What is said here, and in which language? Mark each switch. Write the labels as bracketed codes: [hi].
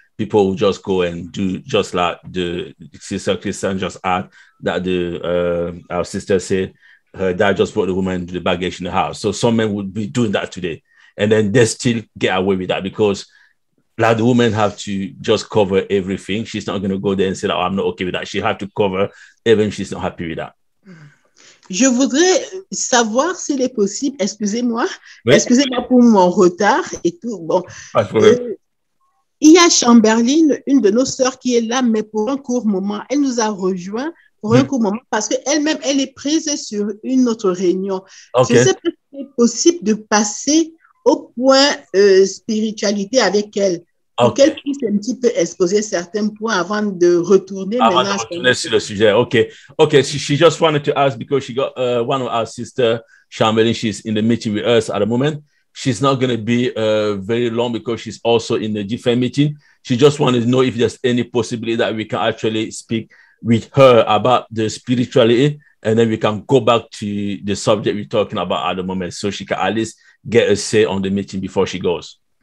[en] people will just go and do just like the sister Christian just add that the our sister said her dad just brought the woman to the baggage in the house. So some men would be doing that today. And then they still get away with that because like the woman have to just cover everything. She's not going to go there and say, oh, I'm not okay with that. She had to cover even if she's not happy with that. [fr] Je voudrais savoir s'il est possible, excusez-moi, oui. Excusez-moi pour mon retard et tout. Bon, il y a Chamberlain, une de nos sœurs qui est là, mais pour un court moment, elle nous a rejoint pour un court moment parce qu'elle-même, elle est prise sur une autre réunion. Okay. Je ne sais pas si c'est possible de passer au point spiritualité avec elle. Okay. Pour qu'elle puisse un petit peu exposer certains points avant de retourner. Avant de retourner sur le sujet, ok. [en] Ok, she just wanted to ask because she got one of our sister, Chamberlain, she's in the meeting with us at the moment. She's not going to be very long because she's also in a different meeting. She just wanted to know if there's any possibility that we can actually speak with her about the spirituality and then we can go back to the subject we're talking about at the moment so she can at least get a say on the meeting before she goes.